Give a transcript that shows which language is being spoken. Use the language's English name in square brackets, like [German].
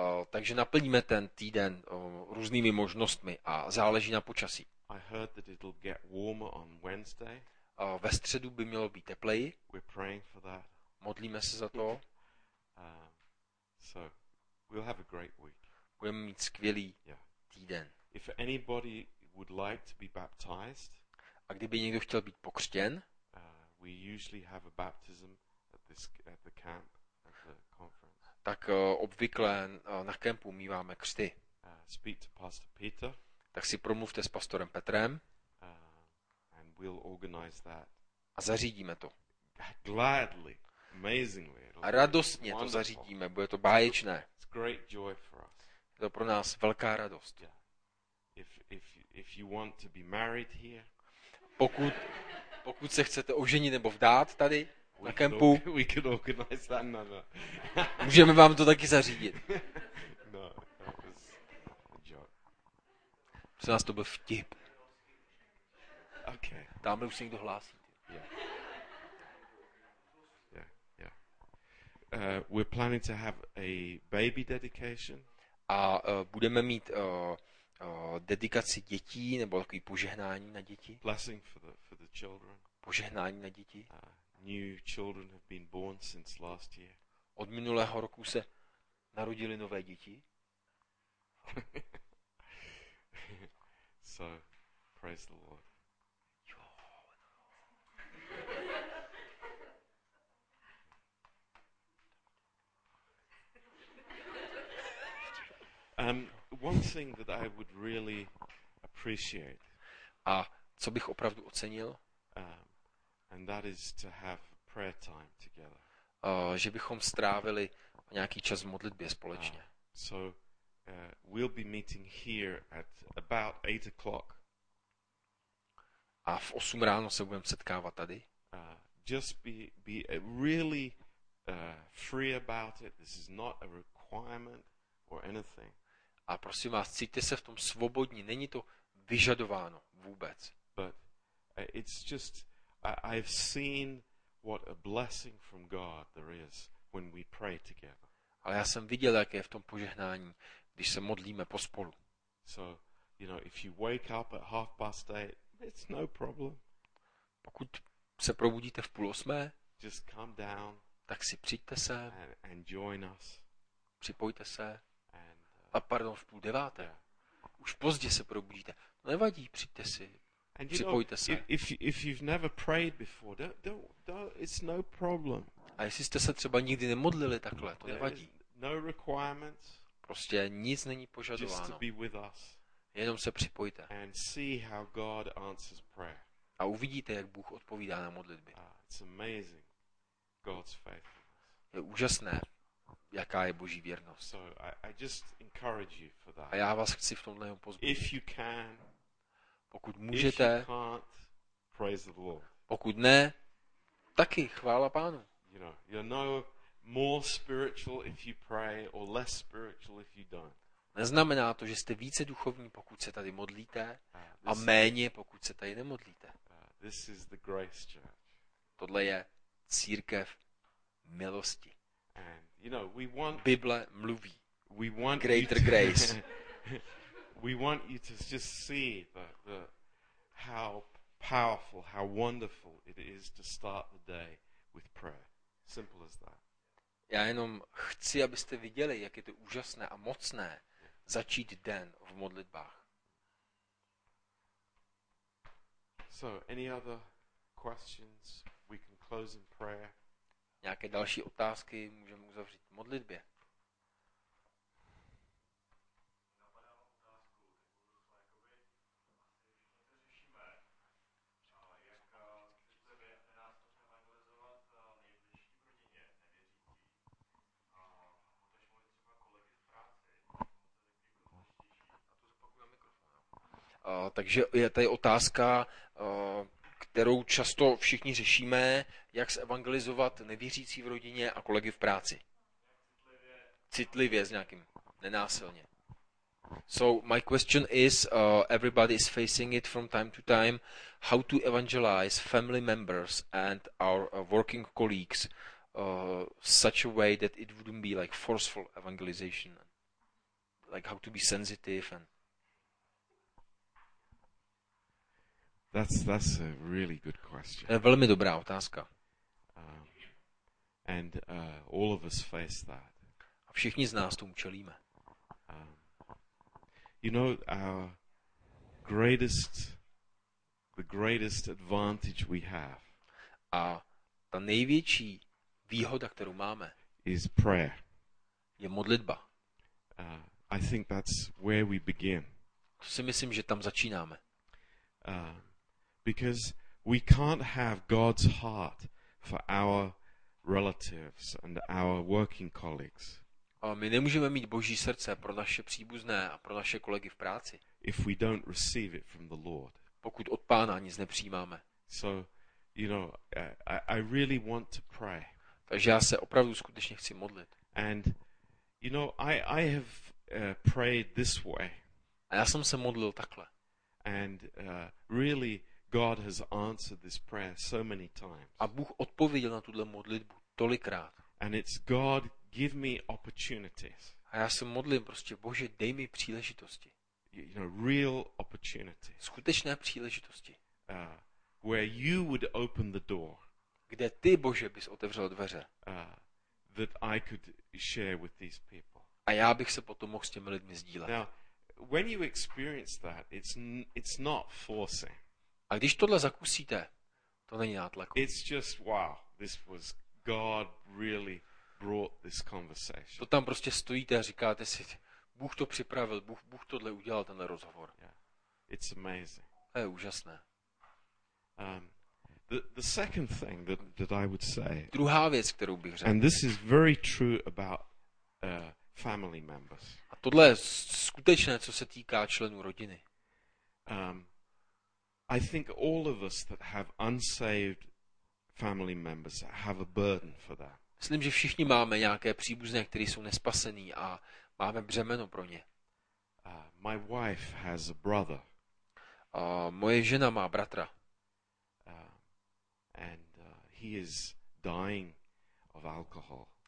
[Czech] Takže naplníme ten týden různými možnostmi a záleží na počasí. [English] I heard that it'll get warmer on Wednesday. [Czech] Ve středu by mělo být tepleji. [English] We're praying for that. [Czech] Modlíme se za to. [English] So we'll have a great week. [Czech] Budeme mít skvělý týden. [English] If anybody would like to be baptized. [Czech] A kdyby někdo chtěl být pokřtěn? [English] We usually have a baptism at the camp at the conference. [Czech] Tak obvykle na kempu míváme křty. [English] Speak to Pastor Peter. [Czech] Tak si promluvte s pastorem Petrem. [English] And we'll organize that. [Czech] A zařídíme to. [English] Gladly. Amazingly. [Czech] A radostně to zařídíme, bude to báječné. [English] It's great joy for us. [Czech] Je to pro nás velká radost. [English] Yeah. If you want to be married here. [Czech] Pokud se chcete oženit nebo vdát tady na kempu. [English] We can organize that. No. [Czech] Můžeme vám to taky zařídit. [English] No, that was a joke. [Czech] Pro nás to byl vtip. [English] Okay. [Czech] Tamhle už se někdo hlásí. [English] We're planning to have a baby dedication. [Czech] A budeme mít dedikaci dětí nebo takový požehnání na děti. [English] Blessing for the children. [Czech] Požehnání na děti. [English] New children have been born since last year. [Czech] Od minulého roku se narodili nové děti. [English] So praise the Lord. One thing that I would really appreciate. [Czech] A co bych opravdu ocenil? [English] And that is to have prayer time together. [Czech] Že bychom strávili nějaký čas v modlitbě společně. [English] So we'll be meeting here at about 8 o'clock. [Czech] A v 8 ráno se budeme setkávat tady. [English] Just be really free about it. This is not a requirement or anything. [Czech] A prosím vás, cítíte se v tom svobodní, není to vyžadováno vůbec. [English] But it's just I've seen what a blessing from God there is when we pray together. [Czech] Ale já jsem viděl, jak je v tom požehnání, když se modlíme pospolu. [English] So, you know, if you wake up at 8:30, it's no problem. [Czech] Pokud se probudíte v 7:30, [English] just come down, [Czech] tak si přijďte sem [English] and join us. [Czech] Připojte se. A pardon, v 9:30. Už pozdě se probudíte. No nevadí, přijďte si. Připojte se. [English] If you've never prayed before, don't it's no problem. [Czech] A jestli jste se třeba nikdy nemodlili takhle, to nevadí. [English] No requirements. [Czech] Prostě nic není požadováno. [English] Just to be with us. [Czech] Jenom se připojte. [English] And see how God answers prayer. [Czech] A uvidíte, jak Bůh odpovídá na modlitby. [English] It's amazing. God's faithfulness. [Czech] Je úžasné. Jaká je Boží věrnost. [English] So I just encourage you for that. [Czech] A já vás chci v tomhle pozbudit. [English] If you can, [Czech] pokud můžete, [English] if you can't, praise the Lord. [Czech] Pokud ne, taky chvála Pánu. [English] You know, you're no more spiritual if you pray or less spiritual if you don't. [Czech] Neznamená to, že jste více duchovní, pokud se tady modlíte, a méně, pokud se tady nemodlíte. [English] This is the grace church. [Czech] Tohle je církev milosti. [English] And you know, we want [Czech] Bible mluví. [English] We want greater grace. We want you to just see the how powerful, how wonderful it is to start the day with prayer. Simple as that. [Czech] Já jenom chci, abyste viděli, jak je to úžasné a mocné začít den v modlitbách. [English] So, any other questions? We can close in prayer. [Czech] Nějaké další otázky můžeme uzavřít v modlitbě. Takže je tady otázka, kterou často všichni řešíme, jak evangelizovat nevěřící v rodině a kolegy v práci. Citlivě s nějakým, nenásilně. [English] So my question is, everybody is facing it from time to time, how to evangelize family members and our working colleagues such a way that it wouldn't be like forceful evangelization, like how to be sensitive. And That's a really good question. [Czech] To je velmi dobrá otázka. [English] And all of us face that. [Czech] A všichni z nás tomu čelíme. [English] You know, our the greatest advantage we have. [Czech] A ta největší výhoda, kterou máme, [English] is prayer. [Czech] Je modlitba. [English] I think that's where we begin. [Czech] To si myslím, že tam začínáme. [English] Because we can't have God's heart for our relatives and our working colleagues. [Czech] A my nemůžeme mít Boží srdce pro naše příbuzné a pro naše kolegy v práci. [English] If we don't receive it from the Lord. [Czech] Pokud od Pána nic nepřijímáme. [English] So, you know, I really want to pray. [Czech] Takže já se opravdu skutečně chci modlit. [English] And you know, I have prayed this way. [Czech] A já jsem se modlil takhle. [English] And really God has answered this prayer so many times. [Czech] A Bůh odpověděl na tuhle modlitbu tolikrát. [English] And it's God, give me opportunities. [Czech] A já se modlím prostě, Bože, dej mi příležitosti. [English] You know, real opportunity. [Czech] Skutečné příležitosti. [English] Where you would open the door. [Czech] Kde ty, Bože, bys otevřel dveře. [English] That I could share with these people. [Czech] A já bych se potom mohl s těmi lidmi sdílet. [English] Now, when you experience that, it's not forcing. [Czech] A když tohle zakusíte, to není nátlak. [English] It's just wow. This was God really brought this conversation. [Czech] To tam prostě stojíte a říkáte si, Bůh to připravil, Bůh tohle udělal, tenhle rozhovor. [English] Yeah. It's amazing. [Czech] To je úžasné. [English] The second thing that I would say. [Czech] Druhá věc, kterou bych řekl. [English] And this is very true about family members. [Czech] A tohle je skutečné, co se týká členů rodiny. [English] I think all of us that have unsaved family members have a burden for them. [Czech] Myslím, že všichni máme nějaké příbuzné, kteří jsou nespasení a máme břemeno pro ně. [English] My wife has a brother. [Czech] Moje žena má bratra. [English] And he is dying of alcohol.